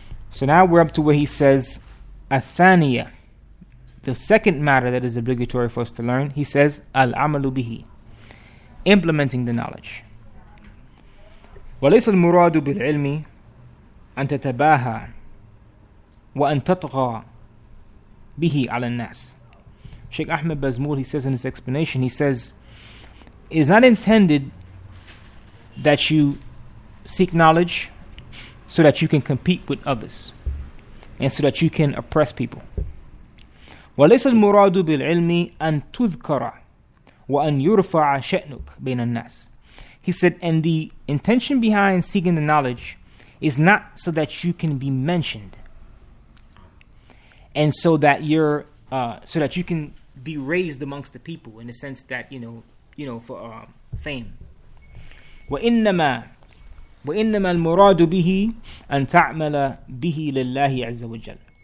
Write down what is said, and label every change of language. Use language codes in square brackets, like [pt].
[en] So now we're up to where he says athaniya, the second matter that is obligatory for us to learn. He says al amalu bihi, implementing the knowledge. [ar] وليس المراد بالعلم أن تتباهى وأن تطغى به على الناس. [en] Sheikh Ahmed Bazmul, he says in his explanation, he says, it is not intended that you seek knowledge so that you can compete with others and so that you can oppress people. [ar] وليس المراد بالعلم أن تذكر وأن يرفع شأنك بين الناس. [en] He said, and the intention behind seeking the knowledge is not so that you can be mentioned, and so that you can be raised amongst the people in the sense that you know for fame. [ar] وإنما المراد به أن تعمل به لله عز وجل.